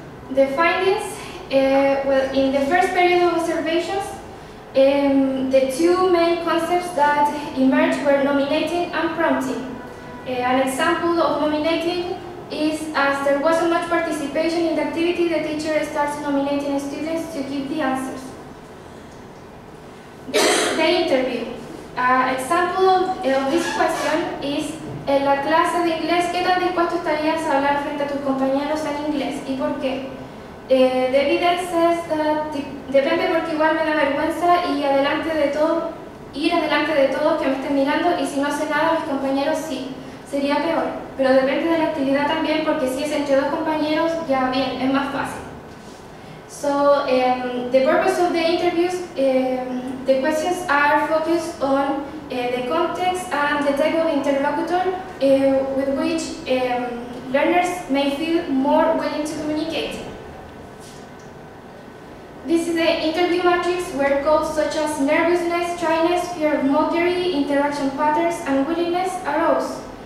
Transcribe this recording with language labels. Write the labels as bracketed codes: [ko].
[en] The findings, in the first period of observations, the two main concepts that emerged were nominating and prompting. An example of nominating is, as there wasn't much participation in the activity, the teacher starts nominating students to give the answers. The interview. An example of this question is, [es] en la clase de inglés, ¿qué tan dispuesto estarías a hablar frente a tus compañeros en inglés y por qué? [en] The evidence says that [es] depende porque igual me da vergüenza y adelante de todo, ir adelante de todos que me estén mirando y si no hace nada mis compañeros sí, sería peor. Pero depende de la actividad también porque si es entre dos compañeros ya bien, es más fácil. [en] So the purpose of the interviews The questions are focused on the context and the type of interlocutor with which learners may feel more willing to communicate. This is the interview matrix where goals such as nervousness, shyness, fear of mockery, interaction patterns, and willingness arose.